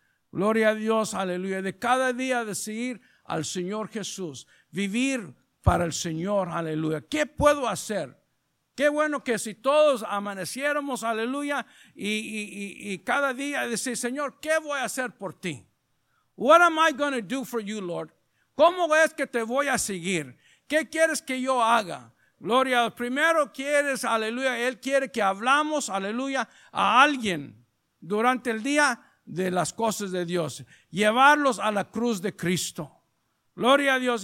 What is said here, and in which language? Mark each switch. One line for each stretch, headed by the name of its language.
Spanish: Gloria a Dios, aleluya. De cada día de seguir al Señor Jesús, vivir para el Señor, aleluya. ¿Qué puedo hacer? Qué bueno que si todos amaneciéramos, aleluya, y cada día decir, Señor, ¿qué voy a hacer por ti?
English: What am I going to do for you, Lord?
Spanish: ¿Cómo es que te voy a seguir? ¿Qué quieres que yo haga? Gloria a Dios. Primero quieres, aleluya, Él quiere que hablamos, aleluya, a alguien durante el día de las cosas de Dios. Llevarlos a la cruz de Cristo. Gloria a Dios.